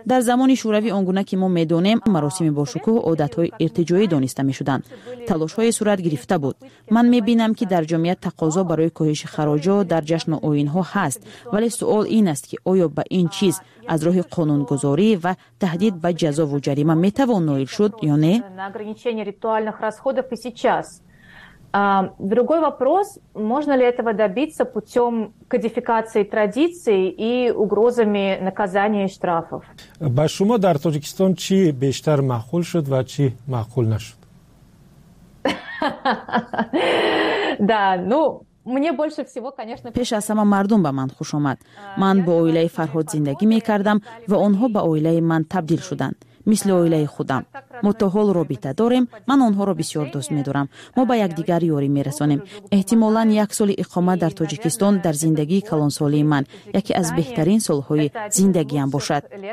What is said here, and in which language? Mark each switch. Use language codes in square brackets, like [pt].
[fa] در زمان شوروی آنگونه که ما میدونیم مراسم باشکوه عادت های ارتجایی دانسته میشدند، تلاش های صورت گرفته بود. من میبینم که در جامعه تقاضا برای کاهش خراج ها در جشن و آیین ها هست، ولی سوال این است که آیا به این چیز از روی قانون گذاری و تهدید به جزا و جریمه میتوان نایل شد یا نه؟ [ru] на ограничение ритуальных расходов и сейчас. Другой вопрос, можно ли этого добиться путём кодификации традиций и угрозами наказания и штрафов. [tg] Ба шумо дар Таҷикистон чи бештар маъқул шуд ва чи маъқул нашуд? [ru] Да, ну мне больше всего, конечно, [tg] пеш аз сама мардум ба ман хуш омад. Ман бо оилаи Фарҳод зиндагӣ мекардам ва онҳо ба оилаи ман табдил шуданд. [fa] مثل اویله خودم. ما تا حال رابطه داریم. من آنها را بسیار دوست می دارم. ما با یک دیگر یاری می رسانیم. احتمالاً یک سال اقامت در تاجیکستان در زندگی کلان سالی من یکی از بهترین سالهای زندگی هم باشد.